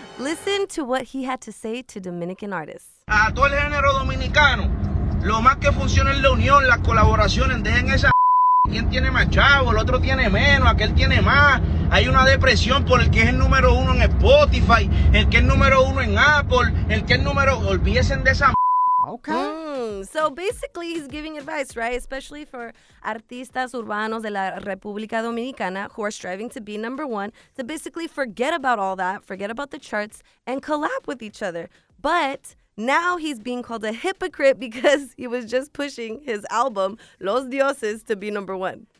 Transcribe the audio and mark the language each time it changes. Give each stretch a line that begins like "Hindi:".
English: Listen to what he had to say to Dominican artists.
Spanish: A todo el género dominicano, lo más que funciona es la unión, las colaboraciones, dejen esa. ¿Quién tiene más chavo? El otro tiene menos, aquel tiene más. Hay una depresión por el que es el número uno en Spotify, el que es número uno en Apple, el que es número... Olvídense de esa...
English: Okay. So basically, he's giving advice, right? Especially for
Spanish: artistas urbanos de la República Dominicana
English: who are striving to be number one, to basically forget about all that, forget about the charts, and collab with each other. But... now he's being called a hypocrite because he was just pushing his album, Los Dioses, to be number one.